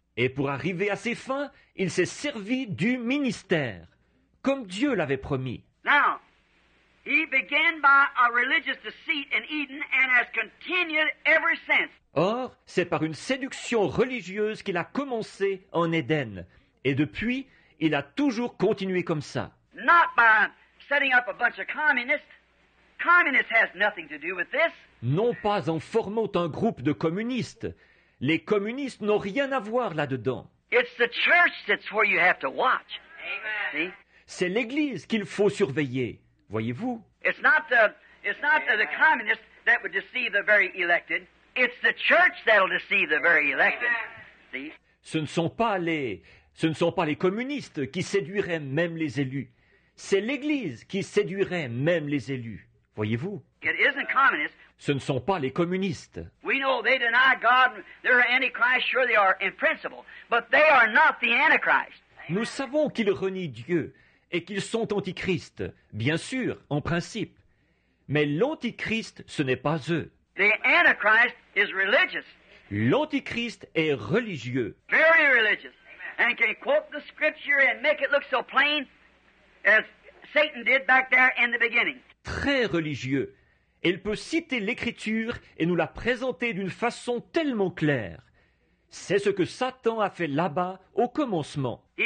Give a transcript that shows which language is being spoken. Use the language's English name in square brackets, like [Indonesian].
[French] Et pour arriver à ses fins, il s'est servi du ministère, comme Dieu l'avait promis. [English] Now, he began by a religious deceit in Eden and has continued ever since. [French] Or, c'est par une séduction religieuse qu'il a commencé en Éden, et depuis, il a toujours continué comme ça. [English] Not by setting up a bunch of communists. Communists has nothing to do with this. [French] Non pas en formant un groupe de communistes. Les communistes n'ont rien à voir là-dedans. [English] It's the church that's where you have to watch. Amen. [French] C'est l'Église qu'il faut surveiller, voyez-vous. [English] It's not the communists that would deceive the very elected. It's the church that'll deceive the very elected. See? [French] Ce ne sont pas les communistes qui séduiraient même les élus. C'est l'Église qui séduirait même les élus, voyez-vous. [English] It isn't communists. [French] Ce ne sont pas les communistes. [English] We know they deny God, they're antichrist, sure they are in principle, but they are not the antichrist. [French] Nous savons qu'ils renient Dieu et qu'ils sont antichristes, bien sûr, en principe. Mais l'antichrist, ce n'est pas eux. [English] The antichrist is religious. [French] L'antichrist est religieux. [English] Very religious. And can quote the scripture and make it look so plain as Satan did back there in the beginning. [French] Très religieux. Il peut citer l'Écriture et nous la présenter d'une façon tellement claire. C'est ce que Satan a fait là-bas, au commencement.